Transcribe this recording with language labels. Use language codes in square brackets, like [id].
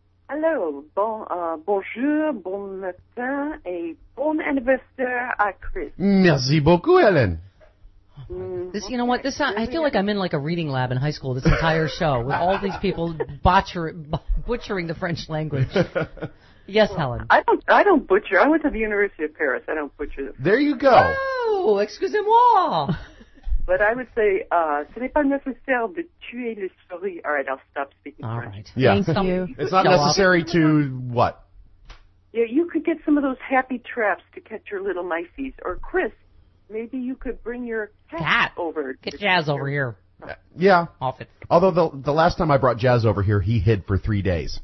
[fr] Hello, bonjour, bon matin, et bon anniversaire à Chris. Merci beaucoup, Helen. [en] I feel like I'm in like a reading lab in high school, this entire show, with all these people butchering the French language. Yes, well, Helen. I don't butcher. I went to the University of Paris. I don't butcher. There you go. [fr] Oh, excusez-moi. [en] But I would say, [fr] ce n'est pas nécessaire de tuer le souris. [en] All right, I'll stop speaking All French. Right. Yeah. Thank you. It's not necessary to what? Yeah, you could get some of those happy traps to catch your little micees. Or, Chris, maybe you could bring your cat over. Get Jazz over here. Yeah. Off it. Although the last time I brought Jazz over here, he hid for 3 days.